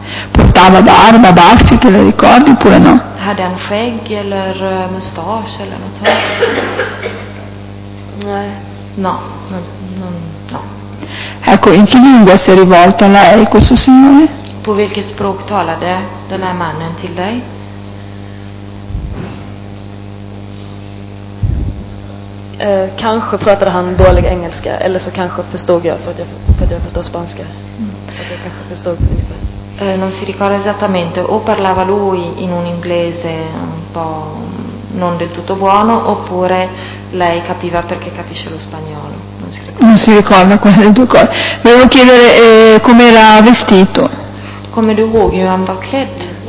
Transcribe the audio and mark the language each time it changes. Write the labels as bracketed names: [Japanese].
[Italian] Portava barba, baffi, che le ricordi oppure no? [Swedish] Hade han skägg eller mustasch eller något sånt? Nej. [Italian] No, no. Ecco, in che lingua si è rivolta a lei questo signore? [Swedish] På vilket språk talade den här mannen till dig? Kanske pratade han dålig engelska, eller så kanske förstod jag för att jag förstår spanska. Att jag kanske förstod ungefär. [Italian] Non si ricorda esattamente, o parlava lui in un inglese un po' non del tutto buono, oppure lei capiva perché capisce lo spagnolo. Non si ricorda quelle delle due cose. Volevo chiedere come era vestito. [Swedish] Come du ihåg hur han var klädd?